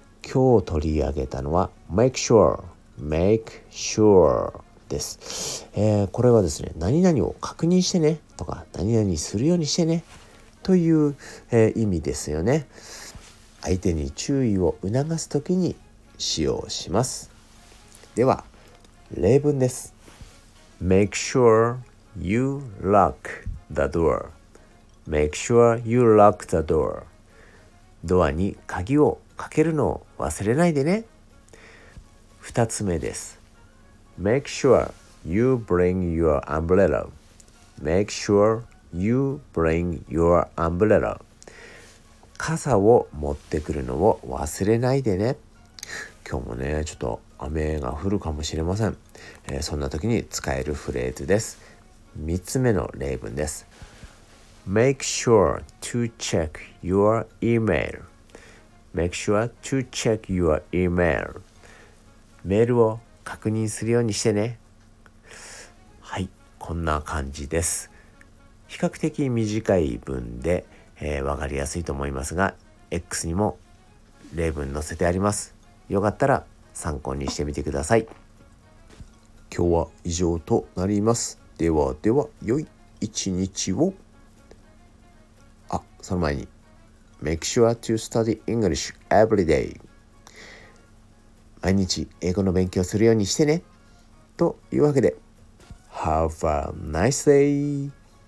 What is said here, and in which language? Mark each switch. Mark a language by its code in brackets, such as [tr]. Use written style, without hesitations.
[ja] 今日取り上げたのは Make sure です、これはですね、何々を確認してねとか何々するようにしてねという、意味ですよね。相手に注意を促すときに使用します。では例文です。 [en] Make sure you lock the door. Make sure you lock the door. [ja] ドアに鍵をかけるのを忘れないでね。 2つ目です。 [en] Make sure you bring your umbrella. Make sure you bring your umbrella. [ja] 傘を持ってくるのを忘れないでね。今日もね、ちょっと雨が降るかもしれません、そんな時に使えるフレーズです。 3つ目の例文です。 [en] Make sure to check your email. Make sure to check your email. [ja] メールを確認するようにしてね。はい、こんな感じです。比較的短い文で、分かりやすいと思いますが、 X にも例文載せてあります。よかったら参考にしてみてください。今日は以上となります。ではでは、良い一日を。あ、その前に [en] Make sure to study English every day. [ja] 毎日英語の勉強するようにしてね。というわけで [en] Have a nice day.